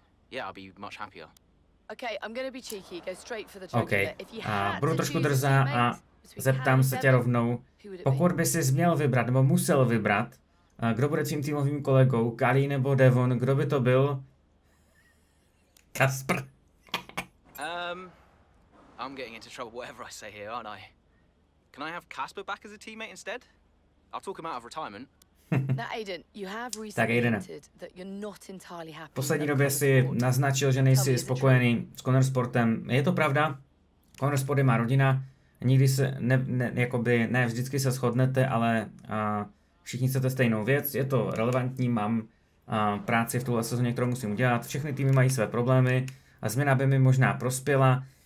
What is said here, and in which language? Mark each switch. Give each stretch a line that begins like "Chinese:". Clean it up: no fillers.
English: Yeah, I'll be much happier. Okay, I'm gonna be cheeky, go straight for the joke. Okay. If you had to
Czech: budu trošku drzá a zeptám se tě rovnou. Pokud by sis měl vybrat nebo musel vybrat, kdo bude tvým týmovým kolegou, Kali nebo Devon, kdo by to byl?
English: Kasper. I'm getting into trouble whatever I say here, aren't I? Can I have Kasper back as a teammate instead? I'll talk him out of retirement.
Czech: Tak Aiden, v poslední době si naznačil, že nejsi spokojený s Konnersportem. Je to pravda, Konnersport je má rodina, nikdy se, ne vždycky se shodnete, ale všichni chcete stejnou věc, je to relevantní, mám práci v tuhle sezóně, kterou musím udělat, všechny týmy mají své problémy a změna by mi možná prospěla.